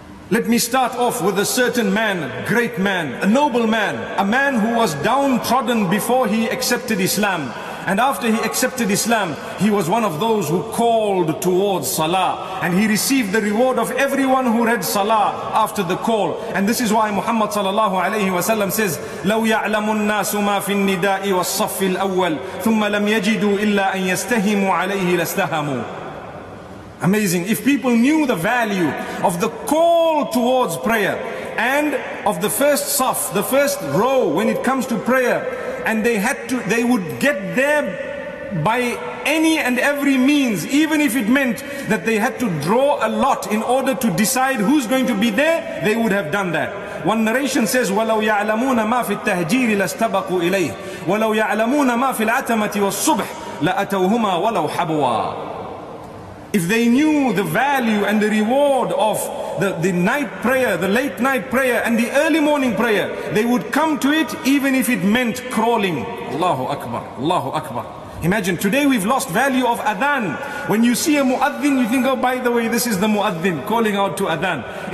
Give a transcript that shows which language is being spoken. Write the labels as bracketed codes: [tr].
[en] Let me start off with a certain man, a great man, a noble man, a man who was downtrodden before he accepted Islam. And after he accepted Islam, he was one of those who called towards Salah. And he received the reward of everyone who read Salah after the call. And this is why Muhammad sallallahu alayhi wa sallam says, [ar] لَوْ يَعْلَمُ النَّاسُ مَا فِي النِّدَاءِ وَالصَّفِّ الْأَوَّلِ ثُمَّ لَمْ يَجِدُوا إِلَّا أَنْ يَسْتَهِمُوا عَلَيْهِ لَاسْتَهَمُوا. [en] Amazing. If people knew the value of the call towards prayer and of the first saf, the first row when it comes to prayer, and they would get there by any and every means, even if it meant that they had to draw a lot in order to decide who's going to be there, they would have done that. One narration says, [ar] وَلَوْ يَعْلَمُونَ مَا فِي التَّهْجِيرِ لَاسْتَبَقُوا إِلَيْهِ وَلَوْ يَعْلَمُونَ مَا فِي الْعَتَمَةِ وَالصُّبْحِ لَأَتَوْهُمَا وَلَوْ حَبْوَى. [en] If they knew the value and the reward of the night prayer, the late night prayer and the early morning prayer, they would come to it even if it meant crawling. Allahu Akbar, Allahu Akbar. Imagine, today we've lost value of adhan. When you see a muadhin, you think, oh, by the way, this is the muadhin calling out to adhan.